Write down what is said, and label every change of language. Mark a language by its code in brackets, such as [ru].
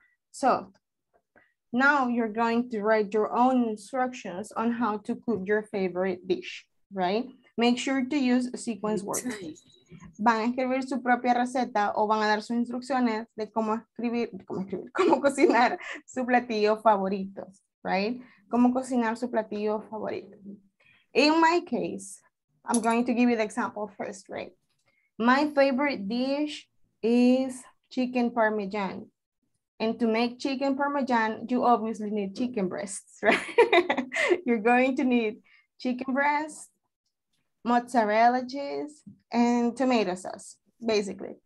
[en] So, now you're going to write your own instructions on how to cook your favorite dish, right? Make sure to use sequence words. [es] Van a escribir su propia receta o van a dar sus instrucciones de cómo cocinar su platillo favorito, right? Cómo cocinar su platillo favorito. [en] In my case, I'm going to give you the example first, right? My favorite dish is chicken parmesan. And to make chicken parmesan, you obviously need chicken breasts, right? You're going to need chicken breasts, mozzarella cheese, and tomato sauce, basically.